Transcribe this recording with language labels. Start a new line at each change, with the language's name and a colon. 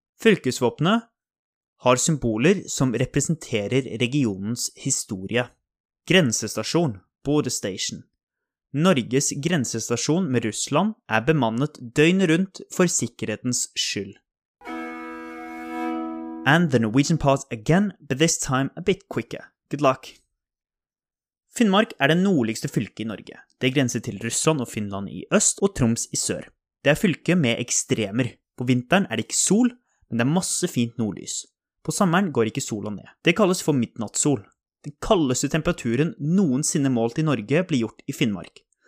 Norwegian: Fylkesvåpene har symboler som representerer regionens historie. Grensestasjon, border station. Norges grensestasjon med Russland bemannet døgnet rundt for sikkerhetens skyld.
English: And the Norwegian part again, but this time a bit quicker. Good luck.
Norwegian: Finnmark det nordligste fylket I Norge. Det grenser til Russland og Finland I øst og Troms I sør. Det fylket med ekstremer. På vinteren det ikke sol, men det masse fint nordlys. På sommeren går ikke sola ned. Det kalles for midnattssol. Den kaldeste temperaturen noensinne målt I Norge blir gjort I Finnmark.